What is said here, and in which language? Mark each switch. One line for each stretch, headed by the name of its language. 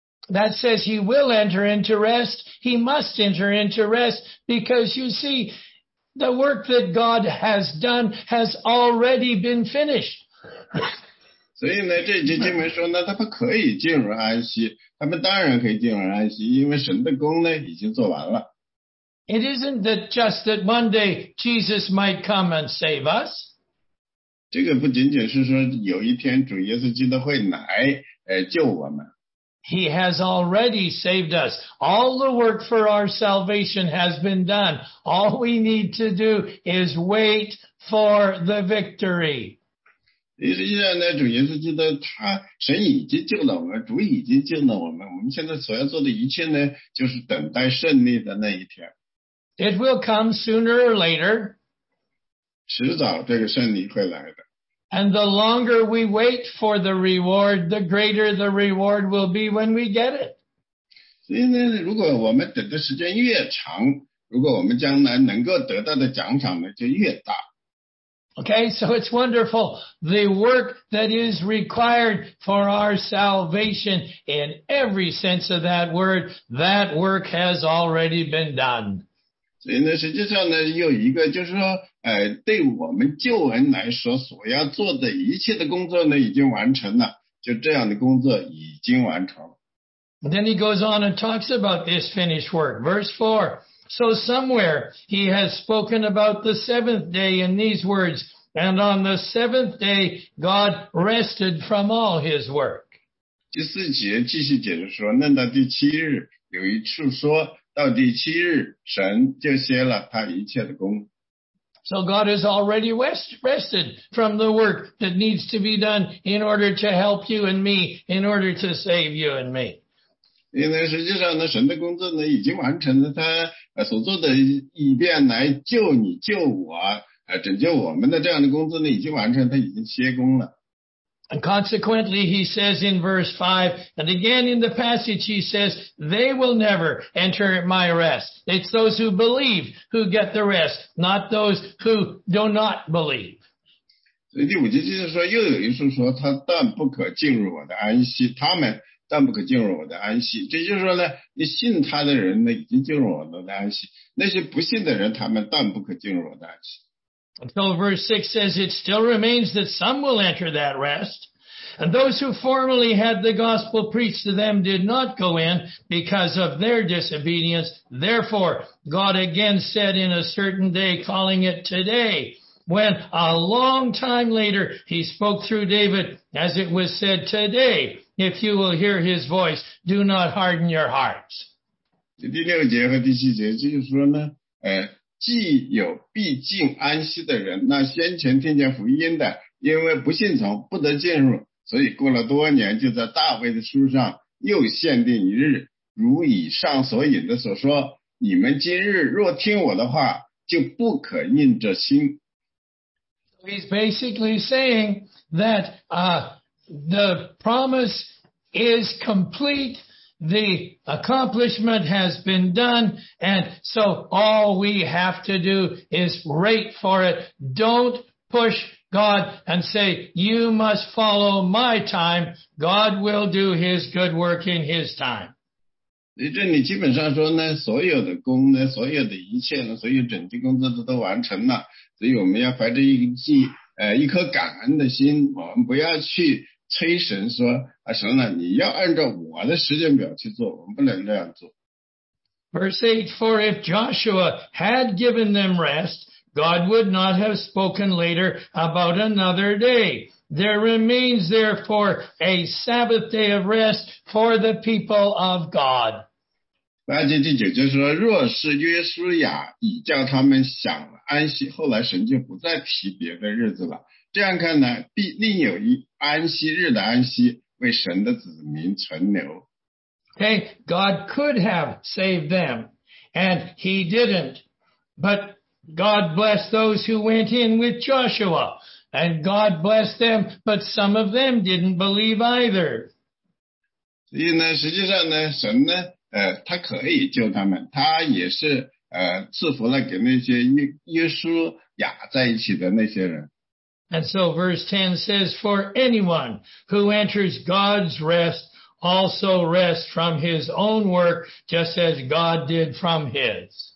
English: That says he will enter into rest. He must enter into rest because you see, the work that God has done has already been finished.
Chinese: 所以呢，这节经文说呢，他们可以进入安息，他们当然可以进入安息，因为神的功呢已经做完了。
English: It isn't that just that one day Jesus might come and save us.
Chinese: 这个不仅仅是说有一天主耶稣基督会来救我们。
English: He has already saved us. All the work for our salvation has been done. All we need to do is wait for the victory.
Chinese: 实际上呢，主耶稣基督他神已经救了我们，主已经救了我们。我们现在所要做的一切呢，就是等待胜利的那一天。
English: It will come sooner or later.
Chinese: 迟早这个胜利会来的。
English: And the longer we wait for the reward, the greater the reward will be when we get it.
Chinese: 所以呢，如果我们等的时间越长，如果我们将来能够得到的奖赏呢，就越大。
English: Okay, so it's wonderful. The work that is required for our salvation in every sense of that word, that work has already been done.
Chinese: 所以呢，实际上呢，有一个就是说，对我们救恩来说，所要做的一切的工作呢，已经完成了，就这样的工作已经完成了。
English: And then he goes on and talks about this finished work. Verse 4. So somewhere he has spoken about the seventh day in these words, and on the seventh day God rested from all his work.
Chinese: 第四节继续解释说，那到第七日有一处说到第七日神就歇了他一切的工。
English: So God has already rested from the work that needs to be done in order to help you and me, in order to save you and me.
Chinese: 因为实际上呢，神的工作呢已经完成了，他所做的以便来救你、救我、拯救我们的这样的工作呢已经完成，他已经歇工了。
English: And consequently, he says in verse 5, and again in the passage, he says, they will never enter my rest. It's those who believe who get the rest, not those who do not believe.
Chinese: 所以第五节就是说，又有一处说，他断不可进入我的安息，他们但不可进入我的安息。这就是说呢，你信他的人呢，已经进入我的安息；那些不信的人，他们但不可进入我的安息。
English: So verse 6 says, it still remains that some will enter that rest, and those who formerly had the gospel preached to them did not go in because of their disobedience. Therefore, God again said in a certain day, calling it today, when a long time later he spoke through David, as it was said today, if you will hear his voice, do not harden your hearts.
Chinese: 第六节和第七节就是说呢，既有必进安息的人，那先前听见福音的，因为不信从，不得进入，所以过了多年，就在大卫的书上又限定一日，如以上所引的所说，你们今日若听我的话，就不可硬着心。
English: He's basically saying that the promise is complete, the accomplishment has been done, and so all we have to do is wait for it. Don't push God and say, you must follow my time. God will do his good work in his time.
Chinese: 这里基本上说呢，所有的工呢，所有的一切呢，所有整体工作都完成了。所以我们要怀着一颗感恩的心，我们不要去催神说，神啊，你要按照我的时间表去做，我们不能这样做。
English: Verse 8, for if Joshua had given them rest, God would not have spoken later about another day. There remains therefore a Sabbath day of rest for the people of God.
Chinese: 八节第九节说，若是约书亚已叫他们想了安息，后来神就不再提别的日子了。这样看呢，必另有一安息日的安息，为神的子民存留。
English: Okay, God could have saved them, and he didn't. But God blessed those who went in with Joshua, and God blessed them, but some of them didn't believe either.
Chinese: 所以呢，实际上呢，神呢，他可以救他们，他也是赐福了给那些约书亚在一起的那些人。
English: And so verse 10 says, for anyone who enters God's rest also rests from his own work, just as God did from his.